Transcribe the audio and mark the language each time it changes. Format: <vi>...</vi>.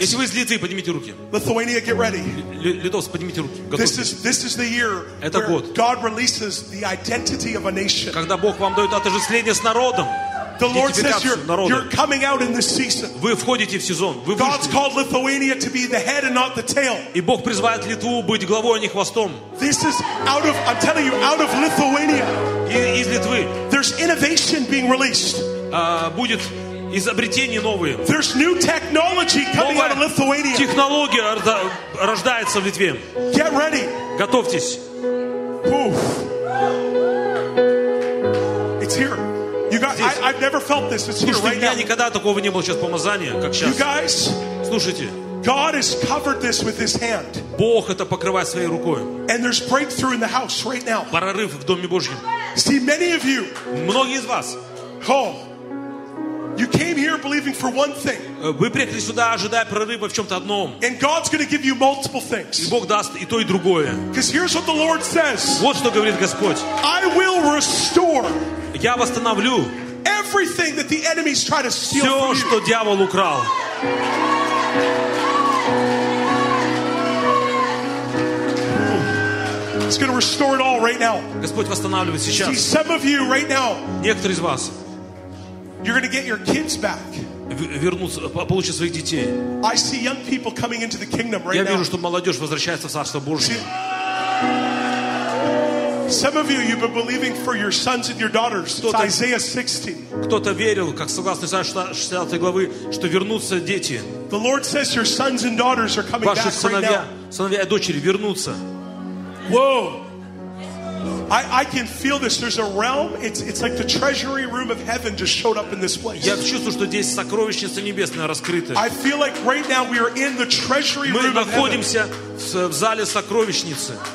<ru>Если вы из Литвы, поднимите руки.</ru> <en>Lithuania, get ready.</en> <ru>Литовцы, поднимите руки.</ru> <en>This is the year</en> <ru>Это</ru> <en>where</en> <ru>год.</ru> <en>God releases the identity of a nation.</en> <ru>Когда Бог вам дает отождествление с народом.</ru> <en>The Lord says you're coming out in this season.</en> <ru>Вы входите в сезон. Вы вышли.</ru> <en>God's called Lithuania to be the head and not the tail.</en> <ru>И Бог призывает Литву быть главой, а не хвостом.</ru> <en>This is out of Lithuania.</en> <ru>Из Литвы.</ru> <en>There's innovation being released.</en> <ru>Будет изобретение новые.</ru> <en>There's new technology coming out of Lithuania.</en> <ru>Технология рождается в Литве.</ru> <en>Get ready.</en> <ru>Готовьтесь.</ru> <en>Oof. It's here. You guys, I've never felt this. It's here right now.</en> <ru>Я никогда такого не было сейчас помазания, как сейчас.</ru> <en>You guys,</en> <ru>слушайте.</ru> <en>God has covered this with His hand.</en> <ru>Бог это покрывает своей рукой.</ru> <en>And there's breakthrough in the house right now.</en> <ru>Прорыв в доме Божьем.</ru> <en>See, many of you.</en> <ru>Многие из вас.</ru> <en>Oh, you came here believing for one thing.</en> <ru>Вы приехали сюда, ожидая прорыва в чем-то одном.</ru> <en>And God's going to give you multiple things.</en> <ru>И Бог даст и то, и другое.</ru> <en>Because here's what the Lord says.</en> <ru>Вот что говорит Господь.</ru> <en>I will restore.</en> <ru>Я восстановлю</ru> <en>everything that the enemies try to steal</en> <ru>все,</ru> <en>from you.</en> <ru>Что дьявол украл.</ru> <en>He's going to restore it all right now.</en> <ru>Господь восстанавливает сейчас.</ru> <en>See, some of you right now,</en> <ru>некоторые из вас,</ru> <en>you're going to get your kids back.</en> <ru>Вернуться, получить своих детей.</ru> <en>I see young people coming into the kingdom right</en> <ru>Я вижу,</ru> <en>now.</en> <ru>Что молодежь возвращается в Царство Божье.</ru> <en>See, some of you, you've been believing for your sons and your daughters. It's Isaiah 60.</en> <ru>Кто-то верил, как согласно Исаия 60 главы, что вернутся дети.</ru> <en>The Lord says your sons and daughters are coming back right now.</en> <ru>Сыновья и дочери вернутся.</ru> <en>Whoa! I can feel this. There's a realm. It's like the treasury room of heaven just showed up in this place.</en> <ru>Я чувствую, что здесь сокровищница небесная раскрыта.</ru> <en>I feel like right now we are in the treasury room of heaven.</en> <ru>Мы находимся в зале сокровищницы.</ru>